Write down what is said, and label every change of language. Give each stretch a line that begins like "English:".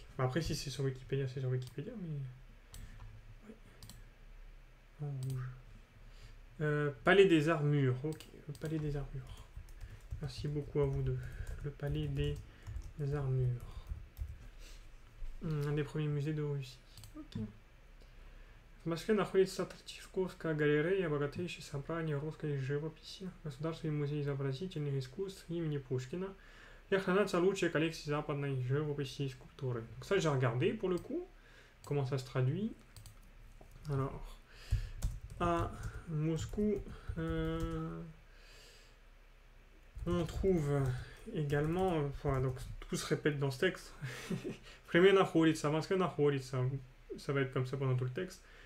French: Après, si c'est sur Wikipédia, c'est sur Wikipédia, mais. En rouge. Palais des armures. Ok, le palais des armures. Merci beaucoup à vous deux. Le palais des armures. Un des premiers musées de Russie. Ok.
Russian: Moscou находится Третьяковская галерея, богатейшее собрание русской живописи, государственный музей изобразительных искусств имени Пушкина, и хранится лучшая коллекция западной живописи и скульптуры.
French: Donc ça, j'ai regardé pour le coup, comment ça se traduit. Alors, à Moscou, on trouve également, voilà, donc tout se répète dans ce texte. Premier
Russian: находится,
French: Moscou находится, ça va être comme ça pendant tout le texte.